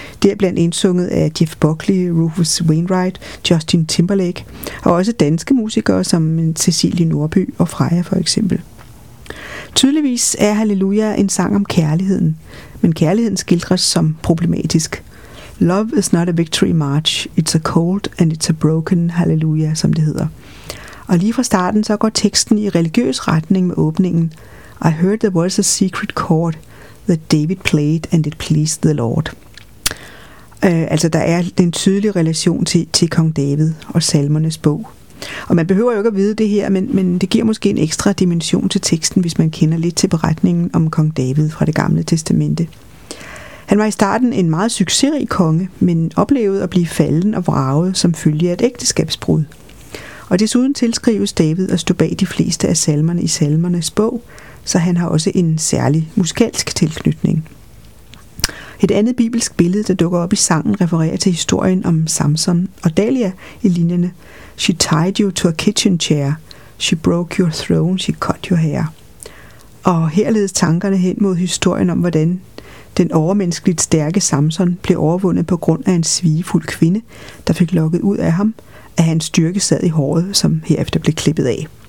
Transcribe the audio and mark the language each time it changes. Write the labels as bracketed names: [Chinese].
[Danish] Det er blandt indsunget af Jeff Buckley, Rufus Wainwright, Justin Timberlake og også danske musikere som Cecilie Nordby og Freja for eksempel. Tydeligvis er Halleluja en sang om kærligheden, men kærligheden skildres som problematisk. [English] Love is not a victory march, it's a cold and it's a broken Halleluja, [Danish] som det hedder. Og lige fra starten så går teksten i religiøs retning med åbningen. [English] I heard there was a secret chord that David played and it pleased the Lord. [Danish] Altså der er en tydelig relation til kong David og salmernes bog. Og man behøver jo ikke at vide det her, men det giver måske en ekstra dimension til teksten, hvis man kender lidt til beretningen om kong David fra det gamle testamente. Han var i starten en meget succesrig konge, men oplevede at blive falden og vraget som følge af et ægteskabsbrud. Og desuden tilskrives David at stå bag de fleste af salmerne i salmernes bog, så han har også en særlig musikalsk tilknytning. Et andet bibelsk billede, der dukker op i sangen, refererer til historien om Samson og Dalia i linjerne. [English] She tied you to a kitchen chair. She broke your throne. She cut your hair. [Danish] Og her ledes tankerne hen mod historien om, hvordan den overmenneskeligt stærke Samson blev overvundet på grund af en svigefuld kvinde, der fik lukket ud af ham, at hans styrke sad i håret, som herefter blev klippet af.